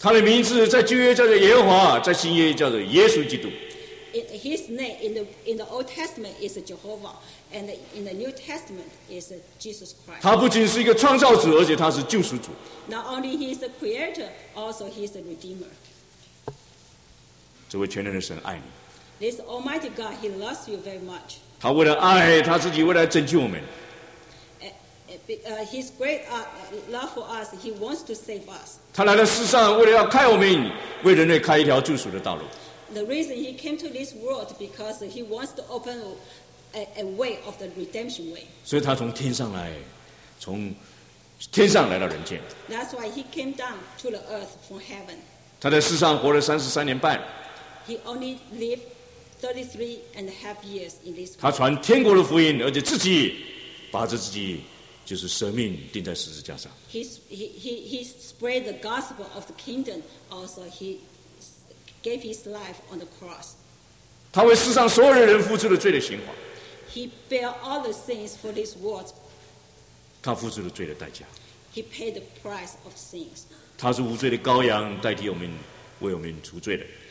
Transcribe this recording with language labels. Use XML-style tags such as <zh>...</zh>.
<zh>他的名字在旧约叫做耶和华，在新约叫做耶稣基督。</zh> <en>His name in the Old Testament is Jehovah, and in the New Testament is Jesus Christ.</en> <zh>他不仅是一个创造主，而且他是救赎主。</zh> <en>Not only he is the Creator, also he is the Redeemer.</en> <zh>这位全能的神爱你。</zh> <en>This Almighty God, He loves you very much.</en> <zh>他为了爱他自己，为了拯救我们。</zh> <en>His great love for us, He wants to save us.</en> <zh>他来到世上，为了要开我们，为人类开一条救赎的道路。</zh> <en>The reason He came to this world because He wants to open a way of the redemption way.</en> <zh>所以他从天上来，从天上来到人间。</zh> <en>That's why He came down to the earth from heaven.</en> <zh>他在世上活了33.5年。</zh> <en>He only lived 33.5 years in this world.</en> <zh>他传天国的福音，而且自己把着自己就是生命钉在十字架上。</zh> <en>He spread the gospel of the kingdom. Also, he gave his life on the cross.</en> <zh>他为世上所有人付出了罪的刑罚。</zh> <en>He bear all the sins for this world.</en> <zh>他付出了罪的代价。</zh> <en>He paid the price of sins.</en> <zh>他是无罪的羔羊，代替我们为我们除罪的。</zh>